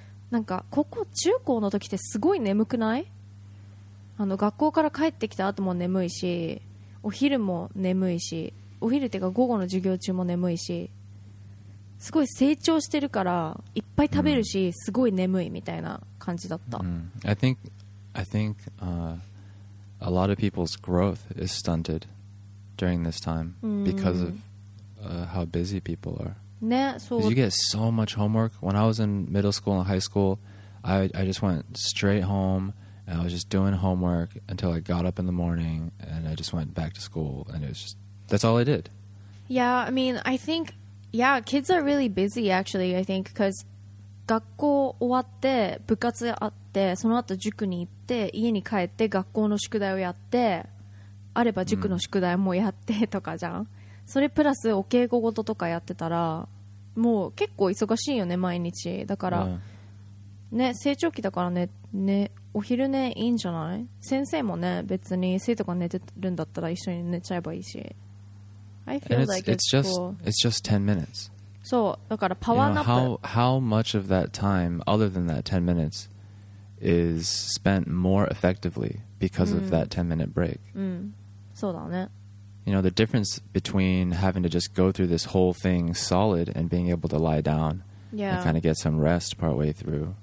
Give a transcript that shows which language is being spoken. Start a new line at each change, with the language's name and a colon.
Japanese: なんか高校中高の時ってすごい眠くない？あの学校から帰ってきた後も眠いし、お昼も眠いし、お昼っていうか午後の授業中も眠いし。すごい成長してるからいっぱい食べるし、mm. すごい眠いみたいな感じだった。
English: I think a lot of people's growth is stunted during this time because of how busy people are.
Japanese: ね、そう。
English: You get so much homework. When I was in middle school and high school, I just went straight home and I was just doing homework until I got up in the morning and I just went back to school and it was just, that's all I did. Yeah, I mean, I thinkYeah, kids are really busy actually, I think, because
Japanese: 学校終わって部活あってその後塾に行って家に帰って学校の宿題をやって、あれば塾の宿題もやってとかじゃん、それプラスお稽古事とかやってたらもう結構忙しいよね毎日。だから、ね、成長期だからね、ね、お昼寝いいんじゃない。先生もね、別に生徒が寝てるんだったら一緒に寝ちゃえばいいし。
English: And it's just 10 minutes.
Japanese: So, だからパワーナップ。
English: You know, how much of that time, other than that 10 minutes, is spent more effectively because of that 10-minute break?
Japanese: そうだね。
English: You know, the difference between having to just go through this whole thing solid and being able to lie down and kind of get some rest partway through.